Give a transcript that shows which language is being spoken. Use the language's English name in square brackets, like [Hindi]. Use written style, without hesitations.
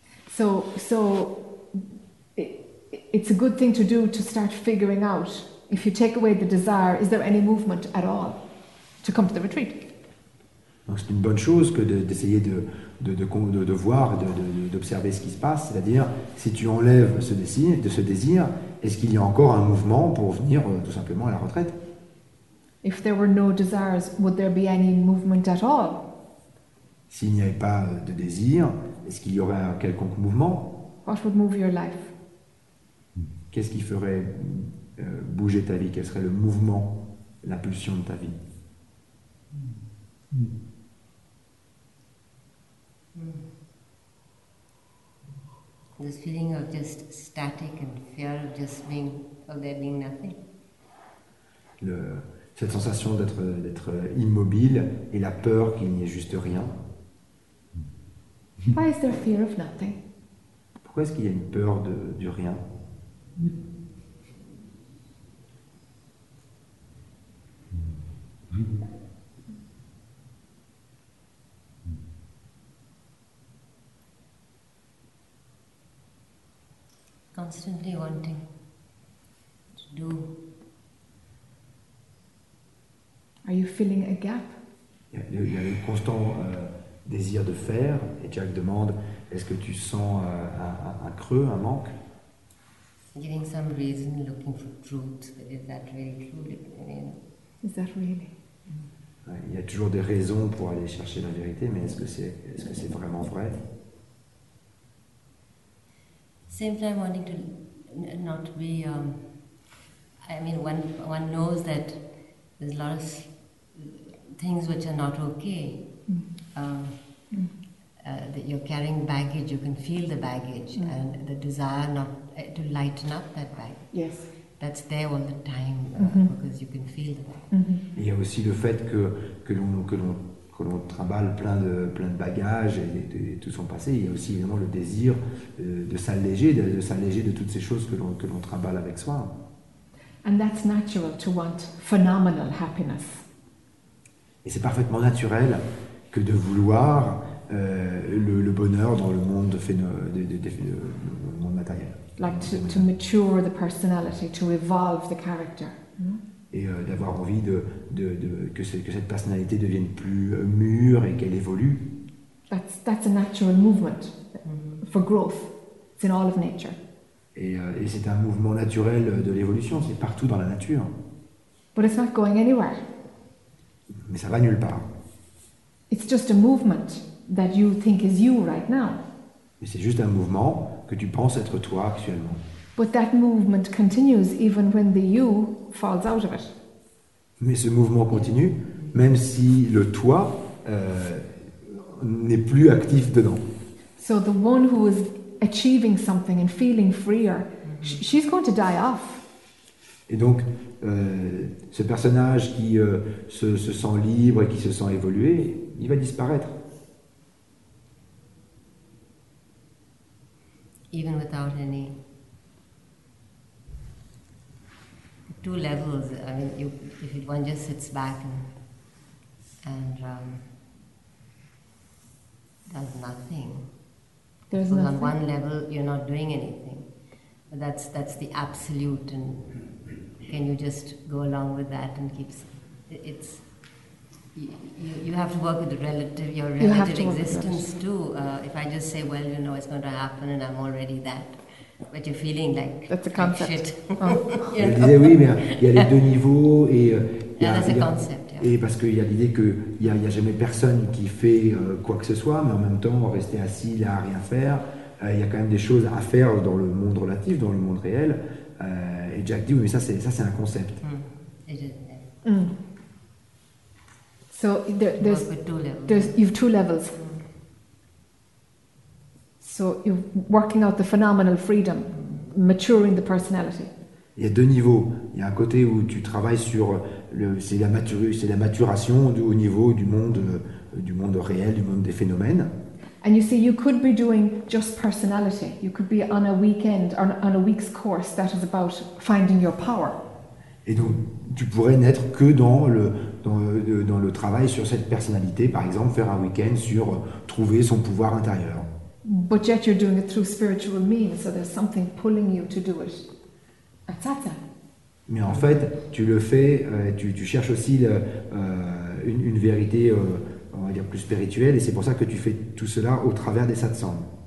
[English] So it's a good thing to do to start figuring out if you take away the desire, is there any movement at all? To come to the retreat. [French] Donc c'est une bonne chose que d'essayer de voir, d'observer ce qui se passe, c'est-à-dire si tu enlèves ce désir, est-ce qu'il y a encore un mouvement pour venir tout simplement à la retraite? [English] If there were no desires, would there be any movement at all? [French] S'il n'y avait pas de désir, est-ce qu'il y aurait un quelconque mouvement? [English] What would move your life? [French] Qu'est-ce qui ferait bouger ta vie? Quel serait le mouvement, la pulsion de ta vie? [English] This feeling of just static and fear of just being, of there being nothing. [French] Cette sensation d'être immobile et la peur qu'il n'y ait juste rien. [English] Why is there fear of nothing? [French] Pourquoi est-ce qu'il y a une peur du rien? [English] Constantly wanting to do. Are you filling a gap? [French] Il y a un constant désir de faire, et Jack demande, est-ce que tu sens un creux, un manque? [English] Giving some reason, looking for truth, but is that really true? Is that really? [French] Il y a toujours des raisons pour aller chercher la vérité, mais est-ce que c'est vraiment vrai? [English] Same time wanting to not be, one knows that there's a lot of things which are not okay. That you're carrying baggage, you can feel the baggage, and the desire not to lighten up that baggage. Yes. That's there all the time, mm-hmm. because you can feel the baggage. Mm-hmm. [French] Il y a aussi le fait que l'on trimballe plein de bagages et de tout son passé. Il y a aussi évidemment le désir de s'alléger de toutes ces choses que l'on trimballe avec soi. [English] And that's natural to want phenomenal happiness. [French] Et c'est parfaitement naturel que de vouloir le bonheur dans le monde le monde matériel. [English] Like to mature the personality, to evolve the character. [French] Et d'avoir envie que cette personnalité devienne plus mûre et qu'elle évolue. [English] That's a natural movement for growth. It's in all of nature. [French] Et c'est un mouvement naturel de l'évolution. C'est partout dans la nature. [English] But it's not going anywhere. [French] Mais ça va nulle part. [English] It's just a movement that you think is you right now. [French] Mais c'est juste un mouvement que tu penses être toi actuellement. [English] But that movement continues even when the you falls out of it. [French] Mais ce mouvement continue même si le toi n'est plus actif dedans. [English] So the one who is achieving something and feeling freer, she's going to die off. [French] Et donc ce personnage qui se sent libre et qui se sent évolué, il va disparaître. [English] Even without any. Two levels. I mean, if one just sits back and does nothing, there's so nothing. On one level, you're not doing anything. But that's the absolute. And can you just go along with that and keep? It's you have to work with the relative. Your relative existence too. If I just say, well, you know, it's going to happen, and I'm already that. But you're feeling like that's a concept. Like shit. Oh. [French] Yeah. Elle disait oui, mais il y a les deux niveaux et Et parce qu'il y a l'idée qu'il n'y a jamais personne qui fait quoi que ce soit, mais en même temps rester assis là à rien faire, il y a quand même des choses à faire dans le monde relatif, dans le monde réel, Et Jack dit, oui, mais ça c'est un concept. Mm. [English] So there's you've two levels. Mm. So you're working out the phenomenal freedom, maturing the personality. [French] Il y a deux niveaux. Il y a un côté où tu travailles sur la maturation au niveau du monde réel, du monde des phénomènes. [English] And you see, you could be doing just personality. You could be on a weekend or on a week's course that is about finding your power. [French] Et donc, tu pourrais n'être que dans le travail sur cette personnalité, par exemple, faire un week-end sur trouver son pouvoir intérieur. [English] But yet you're doing it through spiritual means, so there's something pulling you to do it. At satsang. [French] Mais en fait, tu le fais, tu cherches aussi une vérité, on va dire, plus spirituelle, et c'est pour ça que tu fais tout cela au travers des satsangs.